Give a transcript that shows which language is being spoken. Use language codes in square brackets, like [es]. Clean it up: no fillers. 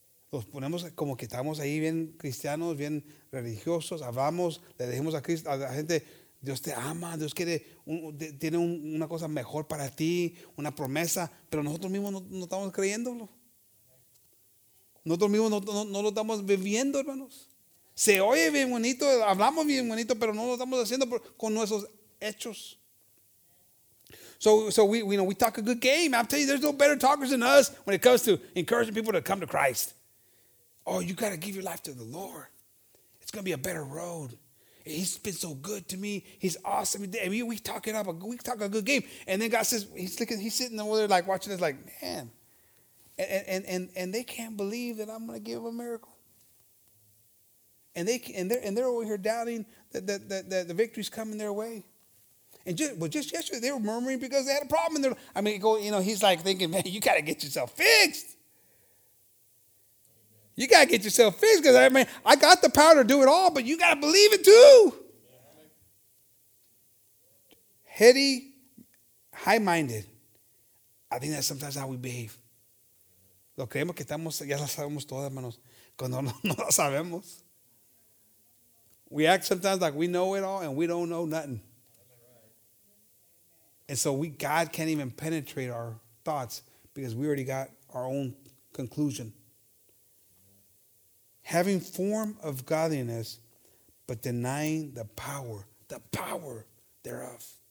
[es] Nos ponemos como que estamos ahí bien cristianos, bien religiosos, hablamos, le dejemos a Cristo, a la gente, Dios te ama, Dios quiere, tiene una cosa mejor para ti, una promesa, pero nosotros mismos no estamos creyéndolo. Nosotros mismos no lo estamos viviendo, hermanos. Se oye bien bonito, hablamos bien bonito, pero no lo estamos haciendo con nuestros hechos. [en] So we talk a good game. I'll tell you, there's no better talkers than us when it comes to encouraging people to come to Christ. Oh, you got to give your life to the Lord. It's going to be a better road. He's been so good to me. He's awesome. I mean, we talk a good game. And then God says, he's sitting over there like watching us like, man. And they can't believe that I'm going to give them a miracle. And they're over here doubting that the victory's coming their way. And just yesterday they were murmuring because they had a problem. He's like thinking, man, you got to get yourself fixed. You got to get yourself fixed because I mean, I got the power to do it all, but you got to believe it too. Heady, high-minded. I think that's sometimes how we behave. [es] Lo creemos que estamos, ya la sabemos todas, hermanos, cuando no la sabemos. [en] We act sometimes like we know it all and we don't know nothing. And so God can't even penetrate our thoughts because we already got our own conclusion. Having form of godliness, but denying the power thereof.